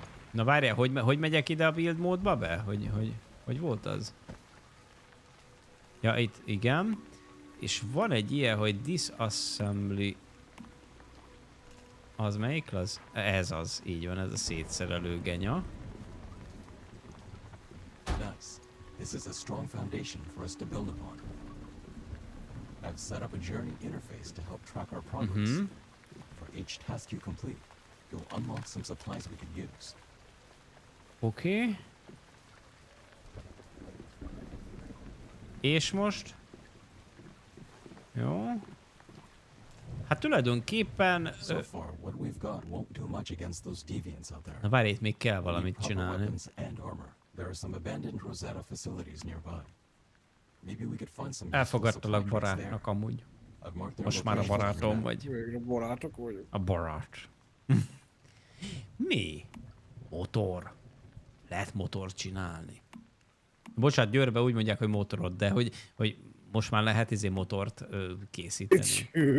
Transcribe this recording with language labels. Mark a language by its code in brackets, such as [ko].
[hu] Na várjál, hogy megyek ide a build módba be? Hogy volt az? Ja, itt igen. És van egy ilyen, hogy disassembly... Az melyik az? Ez az, így van, ez a szétszerelő genya. [en] This is a strong foundation for us to build upon. I've set up a journey interface to help track our progress. Mm-hmm. For each task you complete, you'll unlock some supplies we can use. Okay. [hu] És most? Jó. Hát tulajdonképpen... [en] So far, what we've got won't do much against those deviants out there. [hu] Na várj, itt még kell valamit csinálni. [en] There are some abandoned Rosetta facilities nearby. Maybe we could find some. [hu] Elfogadtalak barátnak amúgy. Most már a barátom vagy. A barátok vagy. A barát. Mi? Motor. Lehet motort csinálni. Bocsát, Győrbe úgy mondják, hogy motorod, de hogy most már lehet izé motort készíteni.